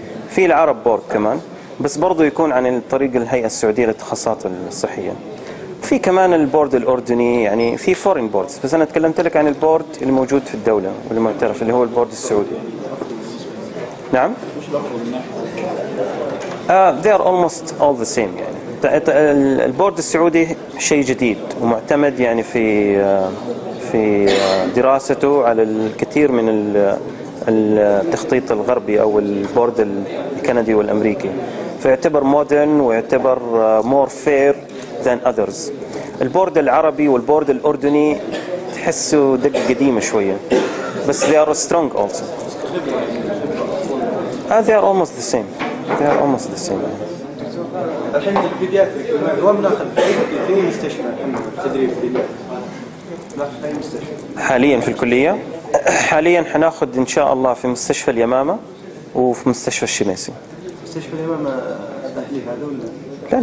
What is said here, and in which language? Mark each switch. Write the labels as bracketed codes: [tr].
[ar] في العرب بورد كمان، بس برضه يكون عن طريق الهيئه السعوديه للتخصصات الصحيه. في كمان البورد الاردني، يعني في فورين بوردز، بس انا تكلمت لك عن البورد الموجود في الدوله والمعترف اللي هو البورد السعودي. نعم؟ [en] they are almost all the same [ar] يعني. البورد السعودي شيء جديد ومعتمد يعني في دراسته على الكثير من التخطيط الغربي او البورد الكندي والامريكي، فيعتبر مودرن ويعتبر [en] More fair than others. [ar] البورد العربي والبورد الاردني تحسوا دقه قديمه شويه، بس [en] they are strong also. They are almost the same. They are almost the same. [ar] الحين البيدياتري كمان وين ناخذ في اي مستشفى تدريب بيدياتري؟ ناخذ في اي مستشفى؟ حاليا في الكليه، حاليا حناخذ ان شاء الله في مستشفى اليمامه وفي مستشفى الشميسي. مستشفى اليمامه الاهلي هذا ولا؟